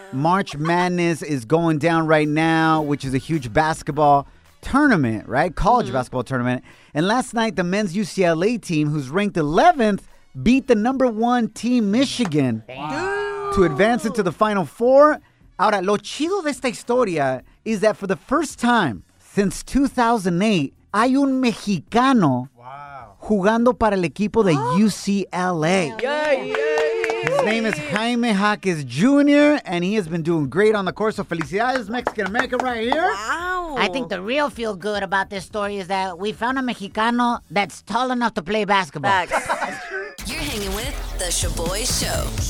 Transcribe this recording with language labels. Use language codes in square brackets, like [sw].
[en] March Madness is going down right now, which is a huge basketball tournament, right? College basketball tournament. And last night, the men's UCLA team, who's ranked 11th, beat the number one team, Michigan, to advance into the Final Four. [es] Ahora, lo chido de esta historia [en] is that for the first time since 2008, [es] hay un mexicano jugando para el equipo de UCLA. [en] His name is Jaime Jaquez Jr., and he has been doing great on the court. So felicidades, Mexican America right here. Wow. I think the real feel good about this story is that we found a mexicano that's tall enough to play basketball. Facts. You're hanging with the Shaboy Show.